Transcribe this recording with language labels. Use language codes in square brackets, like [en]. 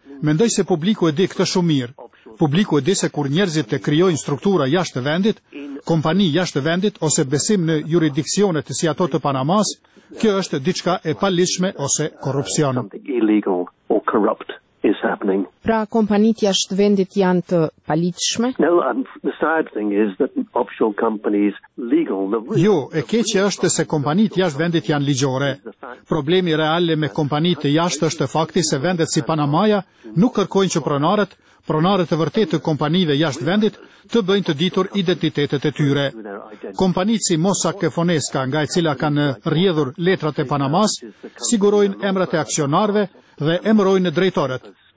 [sq] Mendoj se publiku e di këtë shumë mirë. Publiku e di se kur njerëzit të krijojnë struktura jashtë vendit, kompani jashtë vendit ose besim në juridiksionet si ato të Panamas, kjo është diçka e paligjshme ose korrupsion. Pra kompanitë jashtë vendit janë të paligjshme? [en] No, the sad thing is that offshore companies legal. [sq] Jo, e keqja është se kompanitë jashtë vendit janë ligjore. Problemi real me kompanitë jashtë është fakti se vendet si Panamaja nuk kërkojnë që pronarët e vërtetë të kompanive jashtë vendit të bëjnë të ditur identitetet e tyre. Kompanitë si Mossack Fonseca, nga e cila kanë rrjedhur letrat e Panamas, sigurojnë emrat e aksionarëve dhe emërojnë drejtorët.